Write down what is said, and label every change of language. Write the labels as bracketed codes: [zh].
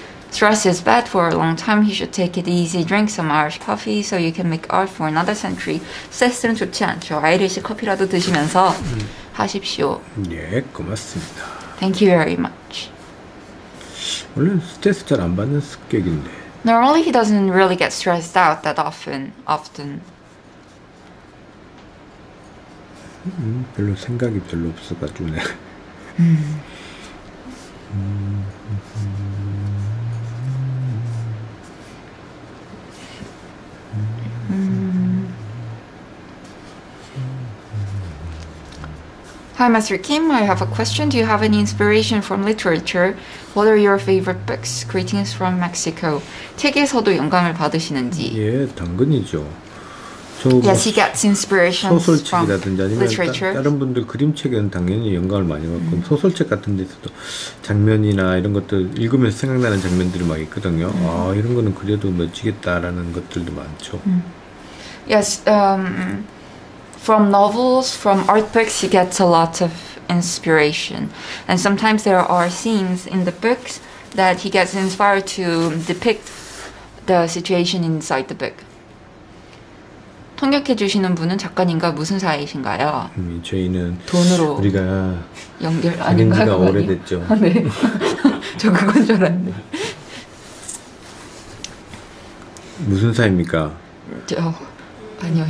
[en] Stress is bad for a long time. You should take it easy. Drink some Irish coffee so you can make art for another century. [ko] 스트레스는 좋지 않죠. 아이리시 커피라도 드시면서 하십시오. 네, 고맙습니다. [en] Thank you very much. [ko] 원래 스트레스 잘 안 받는 성격인데. [en] Normally he doesn't really get stressed out that often. [ko] 별로 생각이 별로 없어가지고 내가. [en] Hi, Master Kim. I have a question. Do you have any inspiration from literature? What are your favorite books? Greetings from Mexico. [ko] 책에서도 영감을 받으시는지. 예, 당근이죠. [en] Yes, he gets inspiration from literature. [ko] 소설책이라든지 아니면 다른 분들 그림책에는 당연히 영감을 많이 받고 소설책 같은 데서도 장면이나 이런 것들 읽으면서 생각나는 장면들이 막 있거든요. 아, 이런 거는 그래도 멋지겠다라는 것들도 많죠. [en] Yes, From novels, from art books, he gets a lot of inspiration. And sometimes there are scenes in the books that he gets inspired to depict the situation inside the book. [ko] 통역해 주시는 분은 작가님과 무슨 사이신가요? 저희는 돈으로 우리가 연결 아닌가요? 지금 지가 오래됐죠. 아, 네. 저 그건 줄 알았네. 무슨 사이입니까? 저... 아니요.